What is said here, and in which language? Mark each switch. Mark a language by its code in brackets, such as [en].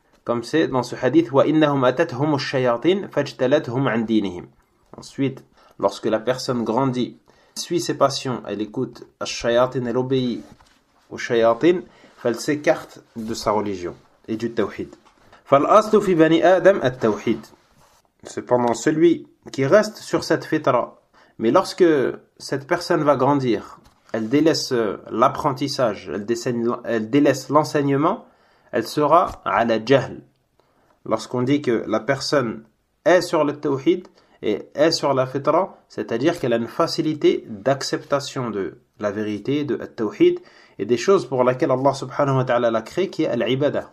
[fr] Comme c'est dans ce hadith, [ar] wa innahum atathum ash-shayatin fajtalathum 'an dinihim. [fr] Ensuite, lorsque la personne grandit, suit ses passions, elle écoute ash-shayatin, elle obéit aux shayatin, elle s'écarte de sa religion et du tawhid. [ar] فالأصل في بني آدم التوحيد. [fr] Cependant, celui qui reste sur cette fitra, mais lorsque cette personne va grandir, elle délaisse l'apprentissage, elle délaisse l'enseignement, elle sera à la jahl. Lorsqu'on dit que la personne est sur le tawhid et est sur la fitra, c'est-à-dire qu'elle a une facilité d'acceptation de la vérité, de tawhid, et des choses pour lesquelles Allah subhanahu wa ta'ala l'a créé, qui est l'ibada.